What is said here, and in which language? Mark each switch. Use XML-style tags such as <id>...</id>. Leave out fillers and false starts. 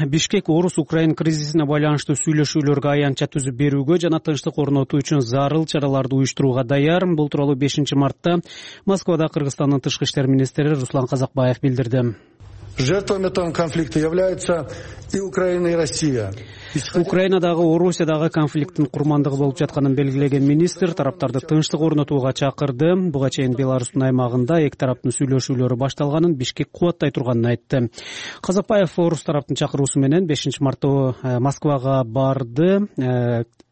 <ky>Бишкек Орус-Украин кризисине байланыштуу сүйлөшүүлөргө аянча түзүп берүүгө жана тынчтык орнотуу үчүн зарыл чараларды уюштурууга даяр. Бул тууралуу 5 мартта Москвада Кыргызстандын тышкы иштер министри Руслан Казакбаев билдирди.</ky> <ru>Жертвами этого конфликта являются и Украина, и Россия.</ru> <ky>Украинадагы Орусиядагы конфликттин курмандыгы болуп жатканын белгилеген министр тараптарды тынчтык орнотууга чакырды. Буга чейин Беларусь аймагында эки тараптын сүйлөшүүлөрү башталганын Бишкек кубаттай турганын айтты. Казакбаев Орус тараптын чакыруусу менен 5 мартта Москвага барды.</ky>